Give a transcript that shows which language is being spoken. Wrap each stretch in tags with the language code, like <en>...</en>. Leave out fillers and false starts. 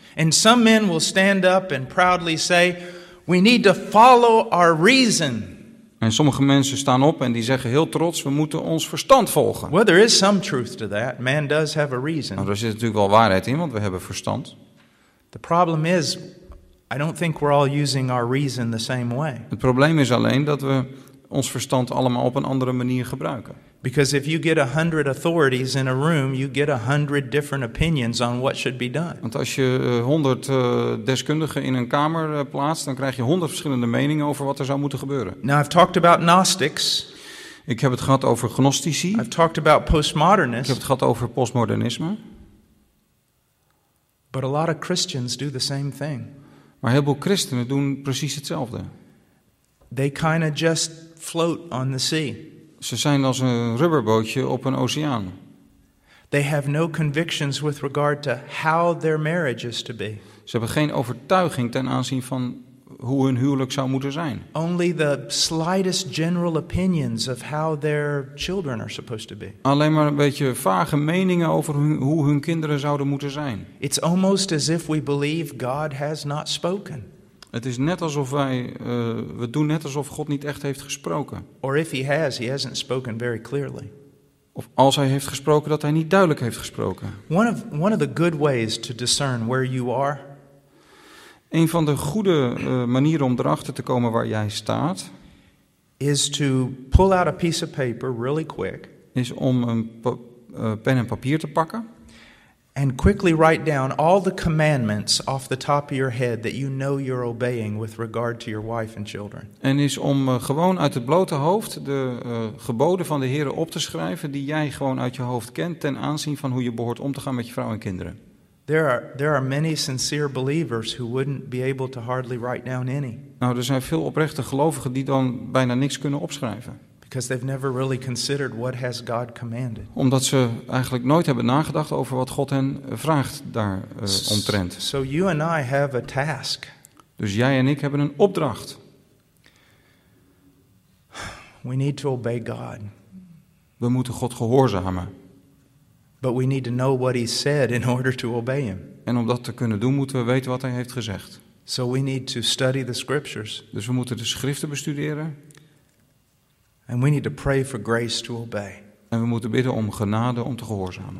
<en>And some men will stand up and proudly say, We need to follow our reason.</en> <nl>En sommige mensen staan op en die zeggen heel trots, we moeten ons verstand volgen.</nl> <en>Well, there is some truth to that. Man does have a reason.</en> <nl>Nou, er zit natuurlijk wel waarheid in, want we hebben verstand.</nl> <en>The problem is, I don't think we're all using our reason the same way.</en> <nl>Het probleem is alleen dat we ons verstand allemaal op een andere manier gebruiken.</nl> <en>Because if you get 100 authorities in a room, you get 100 different opinions on what should be done.</en> <nl>Want als je 100 deskundigen in een kamer plaatst, dan krijg je 100 verschillende meningen over wat er zou moeten gebeuren.</nl> <en>Now I've talked about Gnostics.</en> <nl>Ik heb het gehad over gnostici.</nl> <en>I've talked about postmodernists.</en> <nl>Ik heb het gehad over postmodernisme.</nl> <en>But a lot of Christians do the same thing.</en> <nl>Maar heel veel christenen doen precies hetzelfde.</nl> <en>They kind of just float on the sea.</en> <nl>Ze zijn als een rubberbootje op een oceaan.</nl> <en>They have no convictions with regard to how their marriage is to be.</en> <nl>Ze hebben geen overtuiging ten aanzien van hoe hun huwelijk zou moeten zijn.</nl> <en>Only the slightest general opinions of how their children are supposed to be.</en> <nl>Alleen maar een beetje vage meningen over hoe hun kinderen zouden moeten zijn.</nl> <en>It's almost as if we believe God has not spoken.</en> <nl>Het is net alsof wij, we doen net alsof God niet echt heeft gesproken.</nl> <en>Or if he has, he hasn't spoken very clearly.</en> <nl>Of als hij heeft gesproken, dat hij niet duidelijk heeft gesproken.</nl> <en>One of the good ways to discern where you are.</en> <nl>Een van de goede manieren om erachter te komen waar jij staat.</nl> <en>Is to pull out a piece of paper really quick.</en> <nl>Is om een pen en papier te pakken.</nl> <en>And quickly write down all the commandments off the top of your head that you know you're obeying with regard to your wife and children.</en> <nl>En is om gewoon uit het blote hoofd de geboden van de Heere op te schrijven die jij gewoon uit je hoofd kent ten aanzien van hoe je behoort om te gaan met je vrouw en kinderen.</nl> <en>There are many sincere believers who wouldn't be able to hardly write down any.</en> <nl>Nou, er zijn veel oprechte gelovigen die dan bijna niks kunnen opschrijven.</nl> <en>Because they've never really considered what has God commanded.</en> <nl>Omdat ze eigenlijk nooit hebben nagedacht over wat God hen vraagt daar omtrent.</nl> <en>So you and I have a task.</en> <nl>Dus jij en ik hebben een opdracht.</nl> <en>We need to obey God.</en> <nl>We moeten God gehoorzamen.</nl> <en>But we need to know what he said in order to obey him.</en> <nl>En om dat te kunnen doen moeten we weten wat hij heeft gezegd.</nl> <en>So we need to study the scriptures.</en> <nl>Dus we moeten de schriften bestuderen.</nl> <en>And we need to pray for grace to obey.</en> <nl>En we moeten bidden om genade om te gehoorzamen.</nl>